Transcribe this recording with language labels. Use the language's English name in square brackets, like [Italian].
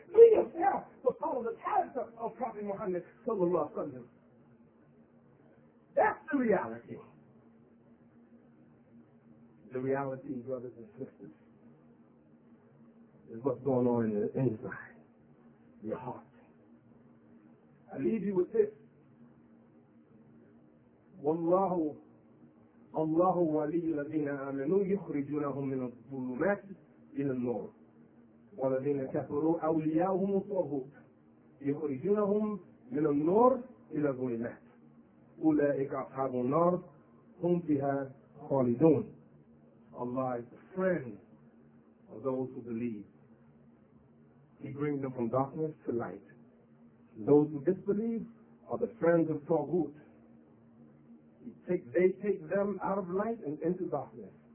[English] Be yourself, but follow the character of Prophet Muhammad sallallahu alaihi wasallam. That's the reality. The reality, brothers and sisters, is what's going on in the inside, your heart. I leave you with this. [Arabic] والله الله ولي الذين آمنوا يخرجونهم من الظلمات إلى النور والذين كفروا أولياؤهم الطاغوت يخرجونهم من النور إلى الظلمات أولئك أصحاب النار هم فيها خالدون. [English] Allah is the friend of those who believe. He brings them from darkness to light. Those who disbelieve are the friends of طاغوت. They take them out of light and into darkness.